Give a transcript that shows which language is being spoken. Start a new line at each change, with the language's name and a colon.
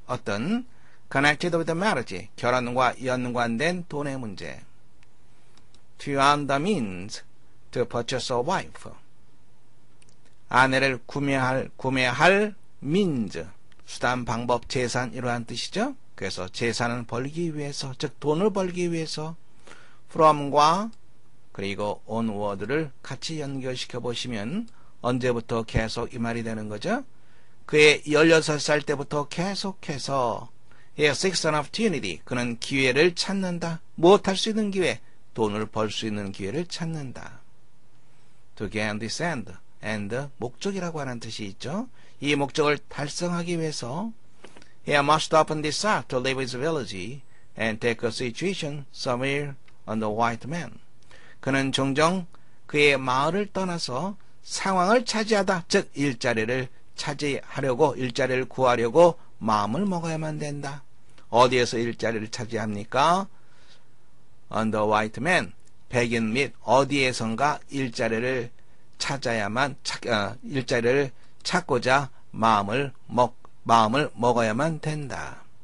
Korean: 어떤
English: connected with the marriage
Korean: 결혼과 연관된 돈의 문제
English: to earn the means to purchase a wife
Korean: 아내를 구매할 민즈, 수단, 방법, 재산 이러한 뜻이죠. 그래서 재산을 벌기 위해서, 즉 돈을 벌기 위해서 from과 그리고 onward를 같이 연결시켜 보시면 언제부터 계속 이 말이 되는 거죠? 그의 16살 때부터 계속해서
English: he has seeks an opportunity.
Korean: 그는 기회를 찾는다. 무엇 할 수 있는 기회? 돈을 벌 수 있는 기회를 찾는다.
English: To gain this end. And
Korean: 목적이라고 하는 뜻이 있죠. 이 목적을 달성하기 위해서
English: he must open this up to leave his village and take a situation somewhere on the white man.
Korean: 그는 종종 그의 마을을 떠나서 상황을 차지하다. 즉 일자리를 차지하려고 일자리를 구하려고 마음을 먹어야만 된다. 어디에서 일자리를 차지합니까?
English: On the white man.
Korean: 백인 및 어디에선가 일자리를 찾아야만 일자리를 찾고자 마음을 먹어야만 된다.